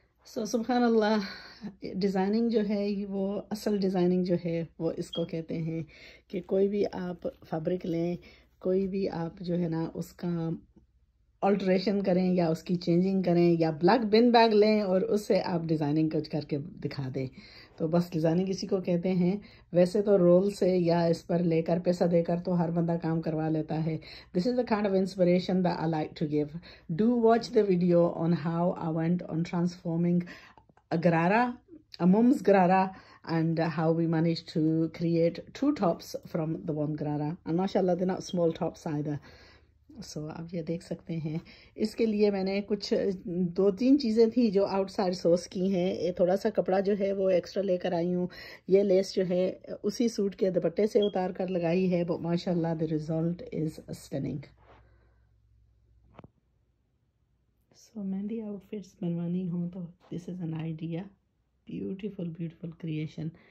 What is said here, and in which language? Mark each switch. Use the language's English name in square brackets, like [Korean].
[Hindi] So subhanallah, designing जो है वो असल designing जो है वो इसको कहते हैं कि कोई भी आप fabric लें, कोई भी आप जो है ना उसका alteration करें या उसकी changing करें, या black bin bag लें और उससे आप designing कुछ करके दिखा दें, तो बस designing इसी को कहते हैं। वैसे तो roll से या इस पर लेकर पैसा देकर तो हर बंदा काम करवा लेता है। [English] This is the kind of inspiration that I like to give. Do watch the video on how I went on transforming a garrarra, a mum's garrarra, and how we managed to create two tops from the one garrarra. And mashallah, they're not small tops either. [Hindi] So आप ये देख सकते हैं, इसके लिए मैंने कुछ दो तीन चीज़ें थी जो आउटसाइड सोर्स की हैं। ये थोड़ा सा कपड़ा जो है वो एक्स्ट्रा लेकर आई हूँ, ये लेस जो है उसी सूट के दुपट्टे से उतार कर लगाई है, [English] But माशाल्लाह the result is stunning. So [Hindi] mehndi outfits बनवानी हो तो [English] This is an idea, beautiful beautiful creation.